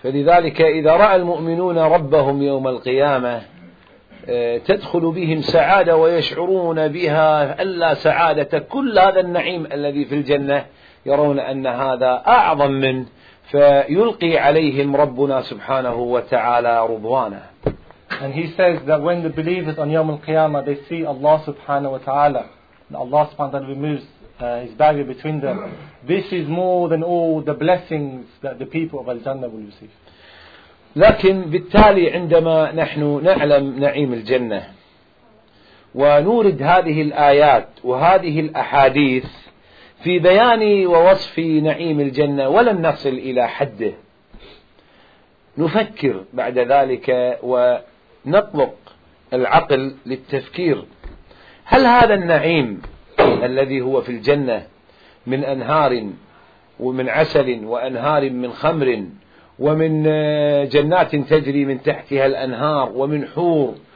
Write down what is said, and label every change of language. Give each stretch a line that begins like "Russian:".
Arabic: فلذلك إذا رأى المؤمنون ربهم يوم القيامة تدخل بهم سعادة ويشعرون بها ألا سعادة، كل هذا النعيم الذي في الجنة يرون أن هذا أعظم من، فيلقي عليهم ربنا سبحانه وتعالى رضوانه.
English: And he says that when the believers on Yawm al-Qiyamah they see Allah subhanahu wa ta'ala, Allah subhanahu wa ta'ala removes his barrier between them, this is more than all the blessings that the people of Al-Jannah will receive.
Arabic: لكن بالتالي عندما نحن نعلم نعيم الجنة ونورد هذه الآيات وهذه الأحاديث في بياني ووصف نعيم الجنة ولم نصل إلى حده، نفكر بعد ذلك ونطلق العقل للتفكير، هل هذا النعيم الذي هو في الجنة من أنهار ومن عسل وأنهار من خمر ومن جنات تجري من تحتها الأنهار ومن حور